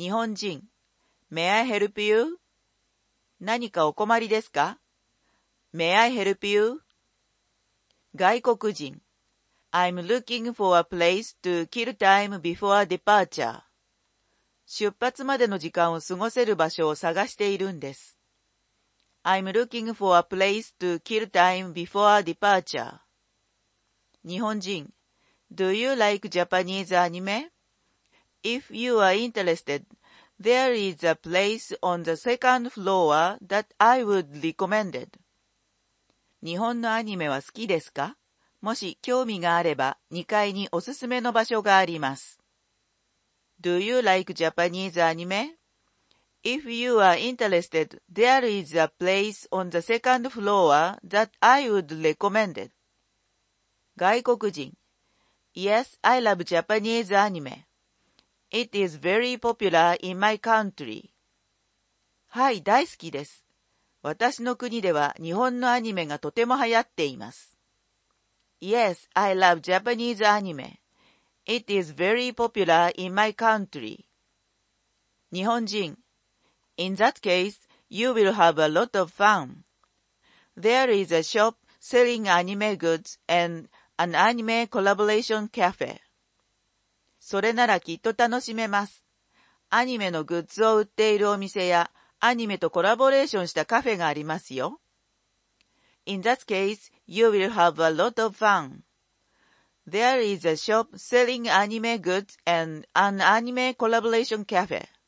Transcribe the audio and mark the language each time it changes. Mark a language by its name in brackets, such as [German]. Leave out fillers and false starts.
[Japanese] 日本人、 [English] May I help you? [Japanese] 何かお困りですか？ [English] May I help you? [Japanese] 外国人、 [English] I'm looking for a place to kill time before departure。 [Japanese] 出発までの時間を過ごせる場所を探しているんです。 [English] I'm looking for a place to kill time before departure. [Japanese] 日本人、 [English] Do you like Japanese anime? If you are interested, there is a place on the second floor that I would recommend. [Japanese] 日本のアニメは好きですか？もし興味があれば、2階におすすめの場所があります。 [English] Do you like Japanese anime? If you are interested, there is a place on the second floor that I would recommend. [Japanese] 外国人。 [English] Yes, I love Japanese anime. It is very popular in my country. [Japanese] はい、大好きです。私の国では日本のアニメがとても流行っています。 [English] Yes, I love Japanese anime. It is very popular in my country. [Japanese] 日本人。 [English] In that case, you will have a lot of fun. There is a shop selling anime goods and an anime collaboration cafe. [Japanese] それならきっと楽しめます。アニメのグッズを売っているお店やアニメとコラボレーションしたカフェがありますよ。 [English] In that case, you will have a lot of fun. There is a shop selling anime goods and an anime collaboration cafe.